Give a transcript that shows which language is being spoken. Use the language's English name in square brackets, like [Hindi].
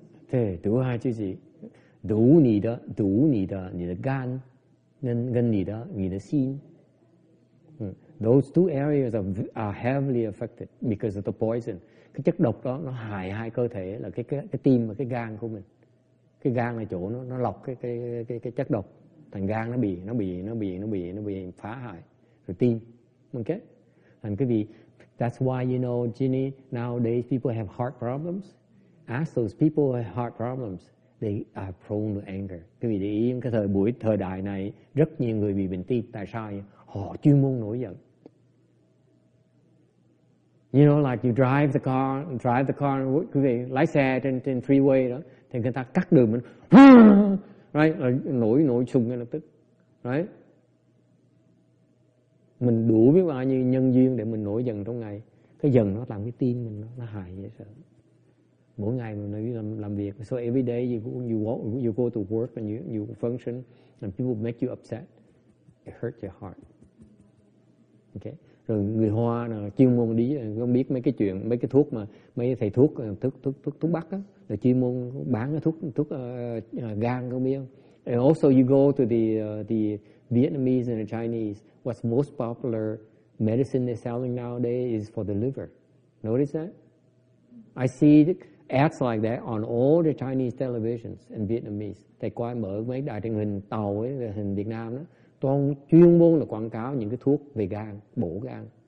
[English] Those two areas are heavily affected because of the poison. [Vietnamese] Cái chất độc đó nó hại hai cơ thể là cái tim và cái gan của mình. Cái gan là chỗ nó lọc cái chất độc. Thành gan nó bị phá hại. Rồi tim. Ok. Thành cái vì, [English] that's why you know, Ginny, nowadays people have heart problems. Ask those people who have heart problems. They are prone to anger. [Vietnamese] Cái vì để ý, cái thời đại này, rất nhiều người bị bệnh tim. Tại sao? Họ chuyên môn nổi giận. [English] You know, like you drive the car, [Vietnamese] quý vị, lái xe trên freeway đó, thì người ta cắt đường mình. Right, nổi sùng ngay lập tức. Right. Mình đủ biết bao nhiêu nhân duyên để mình nổi dần trong ngày. Cái dần nó làm cái tim mình nó hại dễ sợ. Mỗi ngày mình làm việc. [English] So every day you go to work and you function and people make you upset. It hurts your heart. Okay. [Vietnamese] Rồi người Hoa là chuyên môn đi, không biết mấy cái chuyện, mấy cái thuốc mà mấy thầy thuốc Bắc á, là chuyên môn bán cái thuốc gan không biết không? [English] And also you go to the Vietnamese and the Chinese, what's most popular medicine they're selling nowadays is for the liver. Notice that? I see ads like that on all the Chinese televisions and Vietnamese. [Vietnamese] Thầy quay mở mấy đài truyền hình tàu ấy, hình Việt Nam đó. Toàn chuyên môn là quảng cáo những cái thuốc về gan, bổ gan.